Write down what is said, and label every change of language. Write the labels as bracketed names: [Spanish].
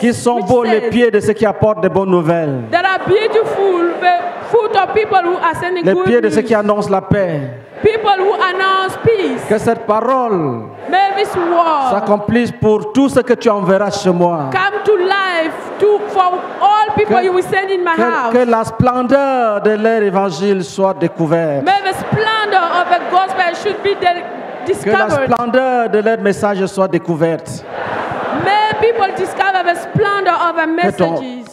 [French] Qu'ils sont beaux les pieds de ceux qui apportent des bonnes nouvelles. [English] That are beautiful the foot of people who are sending good news. [French] Les pieds de ceux qui annoncent la paix. [English] People who announce peace. [French] Que cette parole. [English] May this word. [French] S'accomplisse pour tout ce que tu enverras chez moi. [English] Come to life to for all people que, you will send in my [French] que, [English] house. [French] Que la splendeur de leur évangile soit découverte. [English] May the splendor of the gospel should be discovered. [French] Que la splendeur de leur message soit découverte. [English] May people discover the splendor of the messages.